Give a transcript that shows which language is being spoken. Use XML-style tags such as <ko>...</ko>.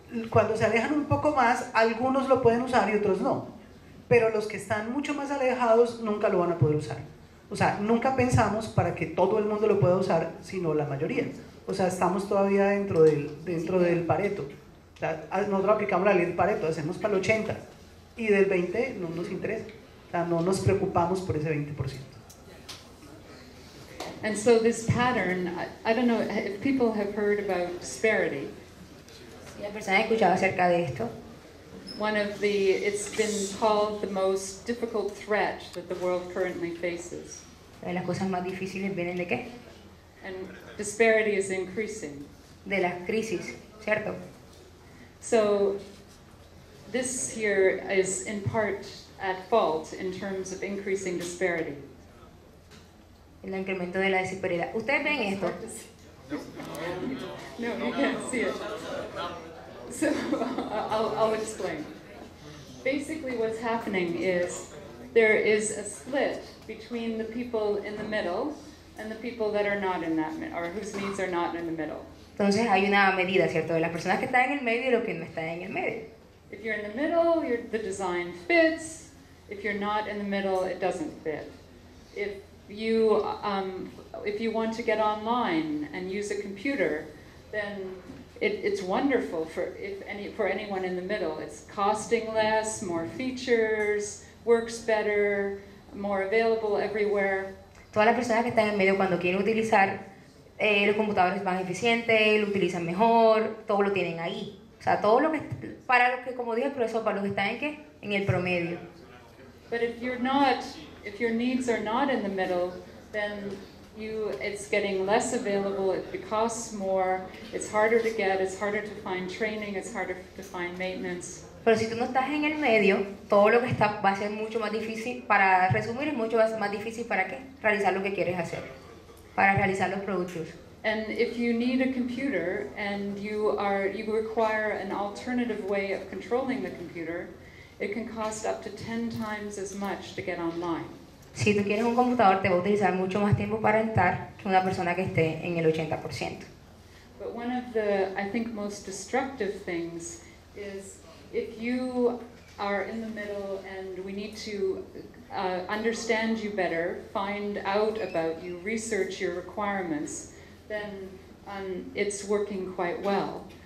<es>Cuando se alejan un poco más, algunos lo pueden usar y otros no. Pero los que están mucho más alejados, nunca lo van a poder usar. O sea, nunca pensamos para que todo el mundo lo pueda usar, sino la mayoría. O sea, estamos todavía dentro del Pareto. O sea, nosotros aplicamos la ley del Pareto, hacemos para el 80 y del 20 no nos interesa. O sea, no nos preocupamos por ese 20%.</es> <en>And so this pattern, I don't know if people have heard about disparity.</en> <es>¿Y la persona ha escuchado acerca de esto?</es> <en>One of the, it's been called the most difficult threat that the world currently faces.</en> <es>¿Las cosas más difíciles vienen de qué?</es> <en>And disparity is increasing.</en> <es>De la crisis, ¿cierto?</es> <en>So this here is in part at fault in terms of increasing disparity.</en> <es>El incremento de la desigualdad. ¿Ustedes ven esto?</es> <en>No, you can't see it. So I'll explain. Basically what's happening is there is a split between the people in the middle and the people that are not in that, or whose needs are not in the middle.</en> <es>Entonces hay una medida, ¿cierto? De las personas que están en el medio y los que no están en el medio.</es> <en>If you're in the middle, the design fits. If you're not in the middle, it doesn't fit. If you want to get online and use a computer, then it's wonderful for anyone in the middle. It's costing less, more features, works better, more available everywhere.</en> <es>Todas las personas que están en medio cuando quieren utilizar los computadores más eficientes, lo utilizan mejor, todo lo tienen ahí. O sea, todo lo que para los que, como dije, profesor, para los que están en qué, en el promedio.</es> <en>But if you're not, if your needs are not in the middle, then it's getting less available. It costs more. It's harder to get. It's harder to find training. It's harder to find maintenance.</en> <es>Pero si tú no estás en el medio, todo lo que está va a ser mucho más difícil. Para resumir, es mucho más difícil para qué? Realizar lo que quieres hacer. Para realizar los productos.</es> <en>And if you need a computer and you require an alternative way of controlling the computer, it can cost up to 10 times as much to get online.</en> <es>Si tú quieres un computador, te va a utilizar mucho más tiempo para entrar que una persona que esté en el 80%.</es> <en>But one of the, I think, most destructive things is if you are in the middle and we need to understand you better, find out about you, research your requirements, then it's working quite well.</en>